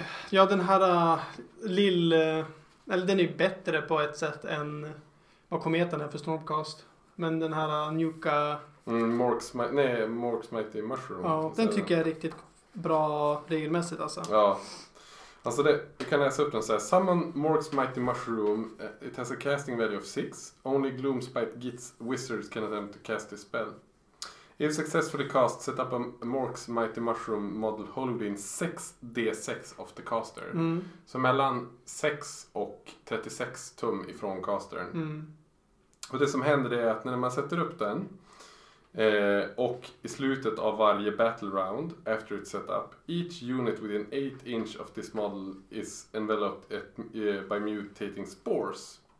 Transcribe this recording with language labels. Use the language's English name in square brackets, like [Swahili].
[Swedish] Ja, den här eller den är ju bättre på ett sätt än vad kometen är för Stormcast. Men den här njuka... [English] Mork's Mighty Mushroom. [Swedish] Ja, den tycker jag är riktigt bra regelmässigt alltså. Ja, alltså det, du kan läsa upp den så här. [English] Summon Mork's Mighty Mushroom. It has a casting value of 6. Only Gloomspite Gits Wizards can attempt to cast this spell. If successfully cast, set up a Mork's Mighty Mushroom model holding 6d6 of the caster. Mm. [Swedish] Så mellan 6 och 36 tum ifrån castern. Mm. Och det som händer är att när man sätter upp den och i slutet av varje [English] battle round after it's set up, each unit within 8 inch of this model is enveloped by mutating spores.